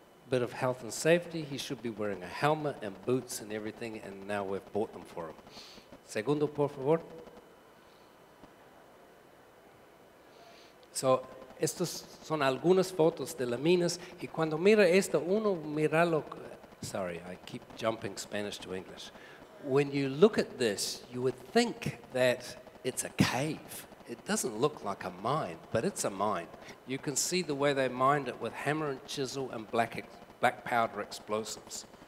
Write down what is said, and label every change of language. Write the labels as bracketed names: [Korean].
[English] Bit of health and safety. He should be wearing a helmet and boots and everything, and now we've bought them for him. [Spanish] Segundo, por favor. So, estas son algunas fotos de las minas, y cuando mira esto, uno mira lo... [English] Sorry, I keep jumping Spanish to English. When you look at this, you would think that it's a cave. It doesn't look like a mine, but it's a mine. You can see the way they mined it with hammer and chisel and black powder explosives.